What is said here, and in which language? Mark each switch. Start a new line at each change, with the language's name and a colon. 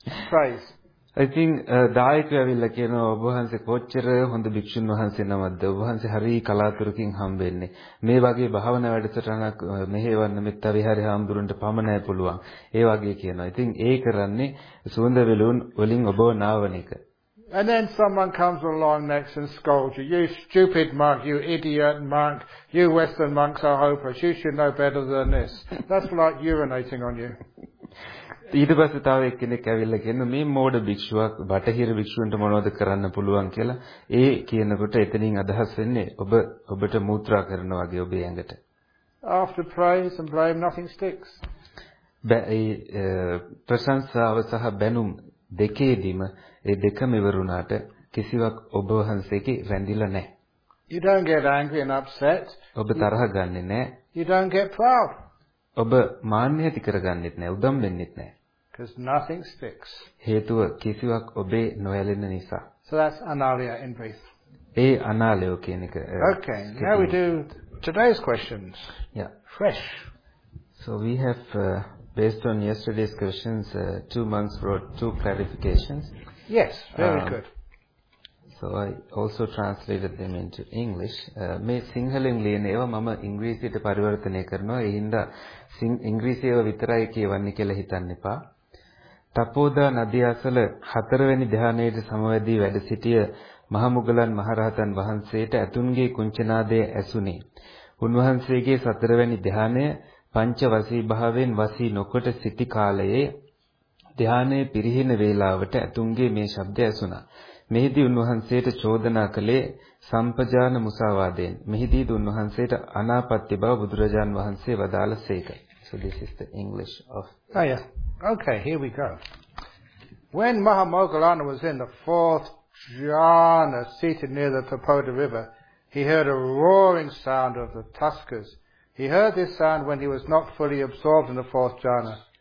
English: Praise. I think
Sinhala: dayaka ඇවිල්ලා කියනවා ඔබ වහන්සේ කොච්චර හොඳ භික්ෂුන් වහන්සේ නමක්ද, ඔබ වහන්සේ හරි කලාතුරකින් හම්බෙන්නේ, මේ වගේ භාවනා වැඩසටහනක් මෙහෙවන්න මෙත්ත විහාරය හම්බුරුන්ට පමණයි පුළුවන්, ඒ වගේ කියනවා. ඉතින් ඒ කරන්නේ සුවඳ විලවුන් වලින් ඔබව නාවන එක.
English: And then someone comes along next and scolds you. "You stupid monk, you idiot monk, you Western monks are hopeless, you should know better than this." That's like urinating on you.
Sinhala: ඊට පස්සේ තව එක්කෙනෙක් ඇවිල්ලා කියනවා මේ මෝඩ භික්ෂුවක් බටහිර භික්ෂුවන්ට මොනවද කරන්න පුළුවන් කියලා. ඒ කියනකොට එතනින් අදහස් වෙන්නේ ඔබට මූත්‍රා කරන වගේ ඔබේ ඇඟට.
English: After praise and blame nothing sticks.
Sinhala: ප්‍රශංසාව සහ බැනුම් දෙකේදීම ඒ දෙකම ඉවරුණාට කිසිවක් ඔබ වහන්සේකි රැඳිලා නැහැ.
English: You don't get angry and upset.
Sinhala: ඔබ තරහ ගන්නෙ නැහැ.
English: You don't get proud.
Sinhala: ඔබ මාන්නේ ඇති කරගන්නෙත් නැහැ, උදම් වෙන්නෙත් නැහැ.
English: Because nothing sticks.
Sinhala: හේතුව කිසිවක් ඔබේ නොයැලෙන නිසා.
English: So that's analia in brief.
Sinhala: ඒ අනාලය කියන එක.
English: Okay. Now we do today's questions. Yeah. Fresh. So we have based on yesterday's questions, two monks wrote two clarifications. Yes, very good. So I also translated them into English.
Sinhala: මේ සිංහලෙන් ලියන ඒවා මම ඉංග්‍රීසියට පරිවර්තනය කරනවා. ඒ හින්දා ඉංග්‍රීසිය ඒවා විතරයි කියවන්නේ කියලා හිතන්න එපා. තපෝදා නදී අසල හතරවැනි ධ්‍යානයේ සමවැදී වැඩ සිටිය මහමුගලන් මහරහතන් වහන්සේට ඇතුන්ගේ කුංචනාදය ඇසුනේ. උන්වහන්සේගේ සතරවැනි ධ්‍යානය පංච වසී භාවයෙන් වසී නොකොට සිටි කාලයේ ධ්‍යානය පිරිහින වේලාවට ඇතුන්ගේ මේ ශබ්දය ඇසුනා. මෙහිදී උන්වහන්සේට චෝදනා කළේ සම්පජාන මුසාවාදයෙන්. මෙහිදී උන්වහන්සේට අනාපත්‍ය බව බුදුරජාන් වහන්සේ වදාළ සේක.
English: So this is the English of... Oh, yeah. Okay, here we go. When Mahamoggallana was in the fourth jhana, seated near the Tapoda River, he heard a roaring sound of the tuskas. He heard this sound when he was not fully absorbed in the fourth jhana.